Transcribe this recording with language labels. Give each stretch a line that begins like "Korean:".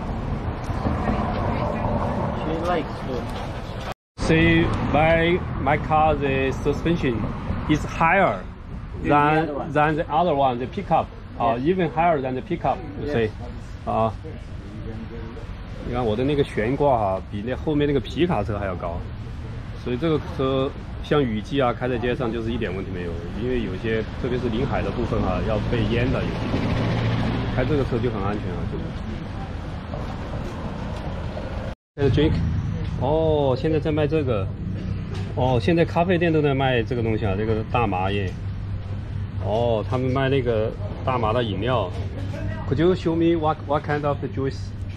English: She likes food. See, my car's suspension is higher than the other one, the pickup. Even higher than the pickup, you yes. see.
Chinese: 你看我的那个悬挂啊，比那后面那个皮卡车还要高，所以这个车像雨季啊，开在街上就是一点问题没有。因为有些特别是临海的部分啊，要被淹的，有些开这个车就很安全啊，就是。 Drink， 哦，现在在卖这个，哦，现在咖啡店都在卖这个东西啊，这个大麻耶。哦，他们卖那个大麻的饮料。
English: Could you show me what kind of the juice?